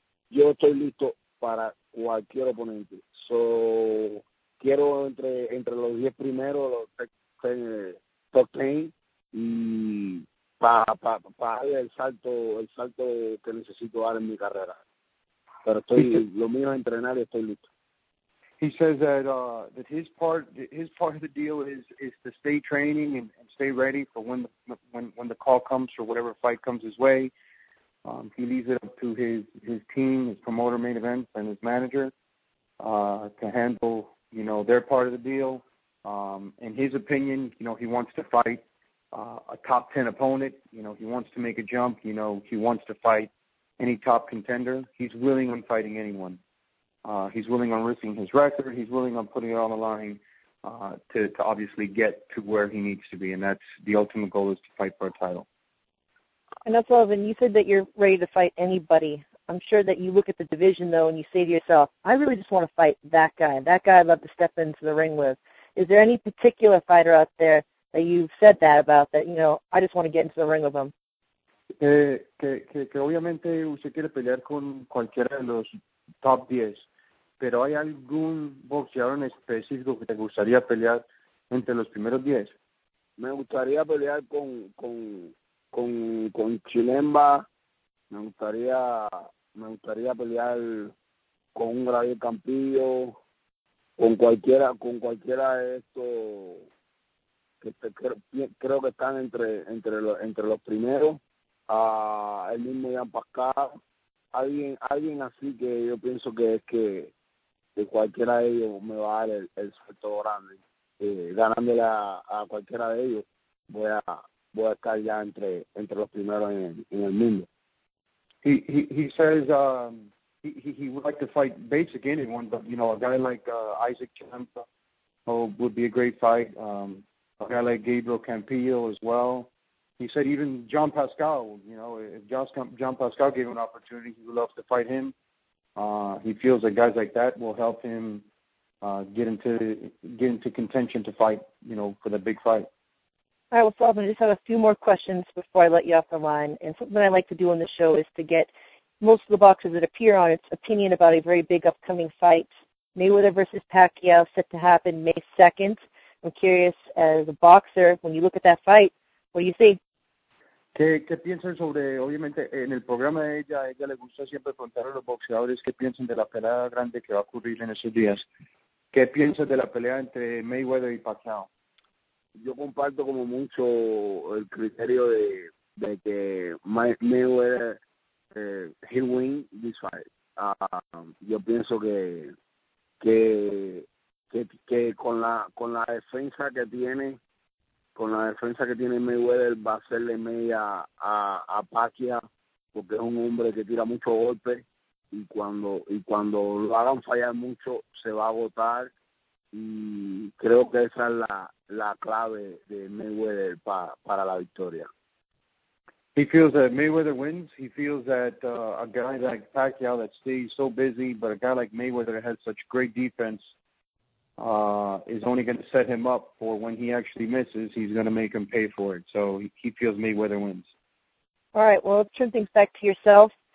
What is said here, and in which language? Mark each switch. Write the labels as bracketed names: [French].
[Spanish] Yo estoy listo para cualquier oponente. So, quiero entre los 10 primeros, los top 10, y para dar el salto que necesito dar en mi carrera. Pero estoy, lo mío es entrenar y estoy listo. [English] He says that his part of the deal is to stay training and stay ready for when the call comes for whatever fight comes his way. He leaves it up to his team, his promoter, Main Event, and his manager to handle, you know, their part of the deal. In his opinion, you know, he wants to fight a top 10 opponent. You know, he wants to make a jump. You know, he wants to fight any top contender. He's willing on fighting anyone. He's willing on risking his record. He's willing on putting it on the line to obviously get to where he needs to be, and that's the ultimate goal, is to fight for a title. And that's all, and you said that you're ready to fight anybody. I'm sure that you look at the division, though, and you say to yourself, I really just want to fight that guy. That guy I'd love to step into the ring with. Is there any particular fighter out there that you've said that about, that, you know, I just want to get into the ring with him? [Spanish] Que obviamente usted quiere pelear con cualquiera de los top 10, pero ¿hay algún boxeador en específico que te gustaría pelear entre los primeros 10? Me gustaría pelear con Chilemba. Me gustaría pelear con un Gravier Campillo, con cualquiera de estos que creo que están entre los primeros, el mismo Jan Pascal, alguien así, que yo pienso que cualquiera de ellos me va a dar el salto grande, ganándole a cualquiera de ellos, voy a estar ya entre los primeros en el mundo. [English] He says he would like to fight basic anyone, but, you know, a guy like Isaac Chiampa would be a great fight. A guy like Gabriel Campillo as well. He said even John Pascal, you know, if John Pascal gave him an opportunity, he would love to fight him. He feels that guys like that will help him get into contention to fight, you know, for the big fight. All right, well, Sullivan, I just have a few more questions before I let you off the line. And something I like to do on the show is to get most of the boxes that appear on its opinion about a very big upcoming fight. Mayweather versus Pacquiao set to happen May 2nd. I'm curious, as a boxer, when you look at that fight, what do you see? [Spanish] ¿Qué piensan sobre, obviamente, en el programa de ella, a ella le gusta siempre preguntar a los boxeadores qué piensan de la pelea grande que va a ocurrir en esos días? ¿Qué piensas de la pelea entre Mayweather y Pacquiao? Yo comparto como mucho el criterio de que Mayweather, [English] he'll win this fight. [Spanish] Yo pienso que con la defensa que tiene, con la defensa que tiene Mayweather, va a hacerle media a Pacquiao, porque es un hombre que tira mucho golpe y cuando lo hagan fallar mucho, se va a agotar. Y creo que esa es la clave de Mayweather para la victoria. [English] He feels that Mayweather wins. He feels that a guy like Pacquiao that stays so busy, but a guy like Mayweather has such great defense, is only going to set him up for when he actually misses. He's going to make him pay for it. So he feels Mayweather wins. All right. Well, let's turn things back to yourself.